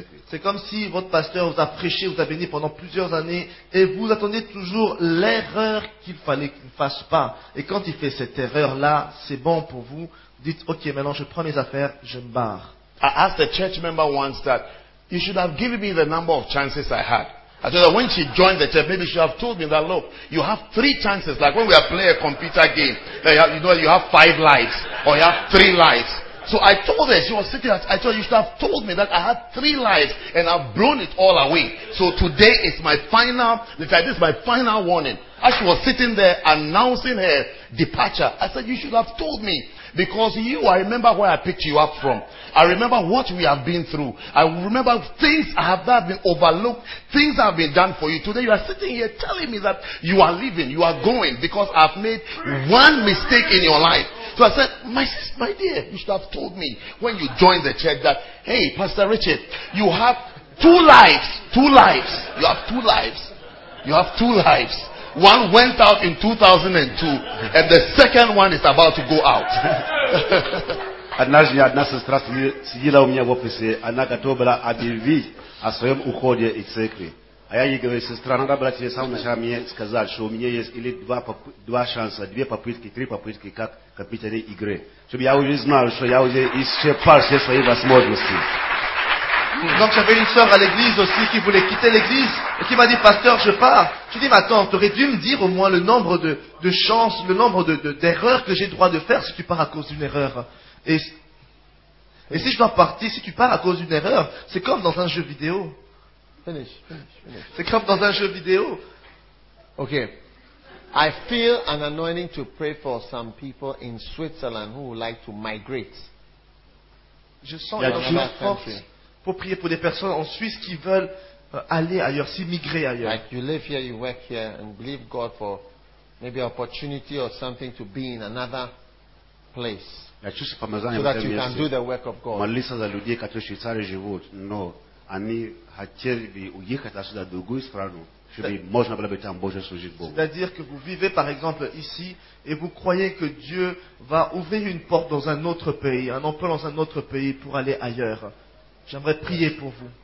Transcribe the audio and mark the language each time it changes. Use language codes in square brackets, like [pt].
[fr] C'est comme si votre pasteur vous a prêché, vous a béni pendant plusieurs années et vous attendez toujours l'erreur qu'il fallait qu'il ne fasse pas. Et quand il fait cette erreur-là, c'est bon pour vous. Vous dites, ok, maintenant je prends mes affaires, je me barre. [en] I asked a church member once that you should have given me the number of chances I had. I said that when she joined the church, maybe she should have told me that, look, you have three chances. Like when we are playing a computer game, you have five lives or you have three lives. So I told her, she was sitting there, I told her, you should have told me that I had three lives and I've blown it all away. So today is my final, this is my final warning. As she was sitting there announcing her departure, I said, you should have told me. Because you, I remember where I picked you up from. I remember what we have been through. I remember things have not been overlooked. Things have been done for you. Today you are sitting here telling me that you are leaving, you are going because I've made one mistake in your life. So I said, my dear, you should have told me when you joined the church that, hey, Pastor Richard, you have two lives. Two lives. You have two lives. You have two lives. One went out in 2002, and the second one is about to go out. [ru] Однажды одна сестра сидела у меня в офисе, она готова была объявить о своем уходе из церкви. А я ей говорю, сестра, надо было тебе с самого начала мне сказать, что у меня есть или два шанса, две попытки, три попытки, как компьютерные игры. Чтобы я уже знал, что я уже исчерпал все свои возможности. [fr] Donc j'avais une sœur à l'église aussi qui voulait quitter l'église et qui m'a dit, pasteur, je pars. Je dis, mais attends, tu aurais dû me dire au moins le nombre de chances, le nombre d'erreurs que j'ai le droit de faire si tu pars à cause d'une erreur. Et si je dois partir, si tu pars à cause d'une erreur, c'est comme dans un jeu vidéo. [en] Finish. [fr] C'est comme dans un jeu vidéo. Ok. [en] I feel an anointing to pray for some people in Switzerland who would like to migrate. [fr] Je sens une force pour prier pour des personnes en Suisse qui veulent aller ailleurs, s'immigrer ailleurs. [en] Like you live here, you work here, and believe God for maybe an opportunity or something to be in another place. [ru] Молиться за людей, которые в Швейцарии живут, но они хотели бы уехать отсюда в другую страну, чтобы можно было бы там больше служить Богу. [fr] C'est-à-dire que vous vivez, par exemple, ici, et vous croyez que Dieu va ouvrir une porte dans un autre pays, un emploi dans un autre pays pour aller ailleurs. J'aimerais prier pour vous.